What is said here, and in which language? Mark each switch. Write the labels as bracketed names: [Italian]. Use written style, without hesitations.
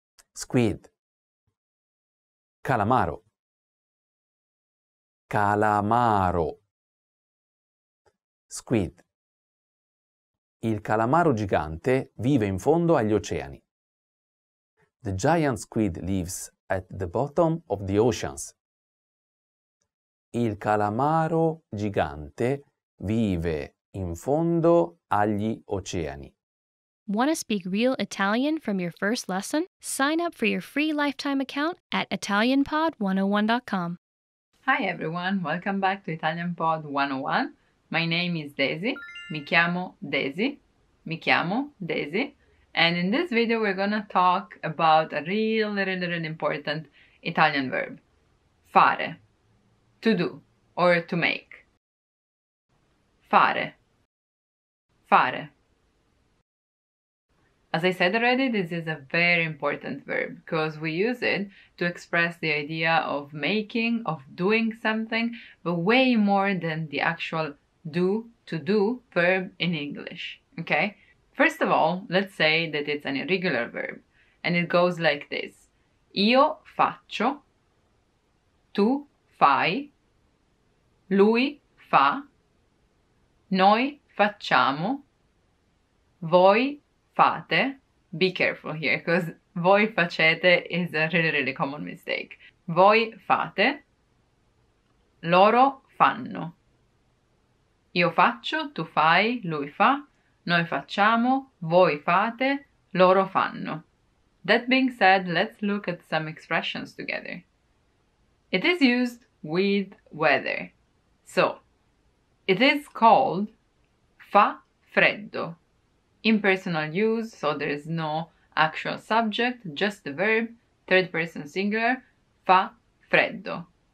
[English] Squid. [Italian] Calamaro. Calamaro. [English] Squid. [Italian] Il calamaro gigante vive in fondo agli oceani. [English] The giant squid lives at the bottom of the oceans. [Italian] Il calamaro gigante vive in fondo agli oceani. [English] Want to speak real Italian from your first lesson? Sign up for your free lifetime account at italianpod101.com. Hi everyone, welcome back to ItalianPod 101. My name is Daisy. [Italian] Mi chiamo Daisy. Mi chiamo Daisy. [English] And in this video we're gonna talk about a really, really, really important Italian verb. Fare. To do. Or to make. Fare. Fare. As I said already, this is a very important verb because we use it to express the idea of making, of doing something, but way more than the actual do, to do verb in English, okay? First of all, let's say that it's an irregular verb and it goes like this. [Italian] Io faccio, tu fai, lui fa, noi facciamo, voi fate. [English] Be careful here, because [Italian] voi facete [English] is a really, really common mistake. [Italian] Voi fate, loro fanno. Io faccio, tu fai, lui fa, noi facciamo, voi fate, loro fanno. [English] That being said, let's look at some expressions together. It is used with weather. So, it is called [Italian] fa freddo. [English] Impersonal use, so there is no actual subject, just the verb, third person singular, [Italian] fa freddo.